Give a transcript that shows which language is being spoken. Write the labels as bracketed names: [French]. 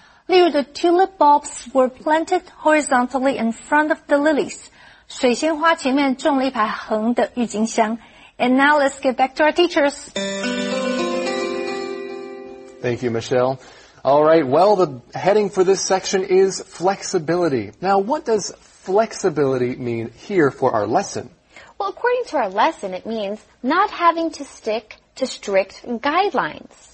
[Chinese] 例如, [English] the tulip bulbs were planted horizontally in front of the lilies. [Chinese] 水仙花前面种了一排横的郁金香。 [English] And now let's get back to our teachers. Thank you, Michelle. All right, well, the heading for this section is flexibility. Now, what does flexibility mean here for our lesson? Well, according to our lesson, it means not having to stick to strict guidelines.